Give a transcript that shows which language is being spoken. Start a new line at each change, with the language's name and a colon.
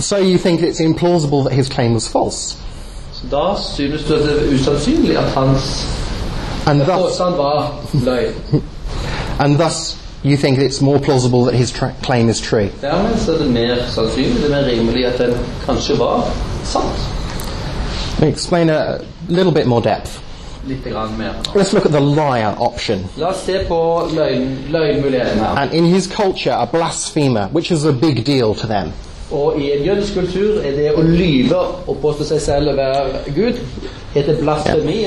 English: So you think it's implausible that his claim was false.
Norwegian: Så da synes du at det er usannsynlig at hans påstand var løgn.
English: And thus you think it's more plausible that his claim is true.
Norwegian: Dermed så er det mer sannsynlig, det er mer rimelig at den kanskje var sant.
English: Explain a little bit more depth.
Norwegian: lite grann mer.
English: Let's look at the liar option.
Norwegian: La oss se på løgnmuligheten her.
English: And in his culture, a blasphemer, which is a big deal to them.
Norwegian: Og I en jødisk kultur det å lyve og påstå seg selv å være Gud, heter blasfemi.